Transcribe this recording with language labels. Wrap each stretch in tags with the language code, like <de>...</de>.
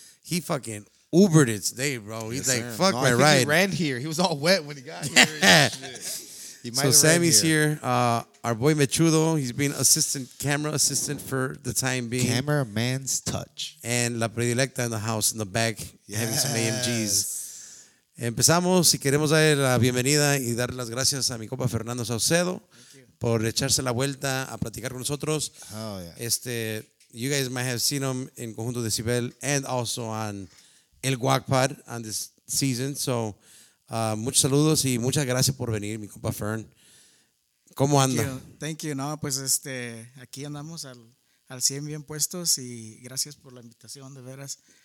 <en>He fucking Ubered it today, bro. He's yes, like, Fuck no, my I think ride. He ran here. He was all wet when he got here. Yeah. He so Sammy's here. Our boy Mechudo. He's been assistant camera assistant for the time being. Cameraman's touch. And La Predilecta in the house in the back. Yes. Having some AMGs.</en> <es>Empezamos y queremos dar la bienvenida y dar las gracias a mi compa Fernando Saucedo. Por echarse la vuelta a platicar con nosotros.</es> <en>Oh, yeah. You guys might have seen him in Conjunto Decibel and also on El Guacpad on this season.</en> <es>So, muchos saludos y muchas gracias por venir, mi compa Fern. ¿Cómo anda?</es> <en>Thank you.</en> <es>No, pues aquí andamos al 100 bien puestos y gracias por la invitación, de veras.</es>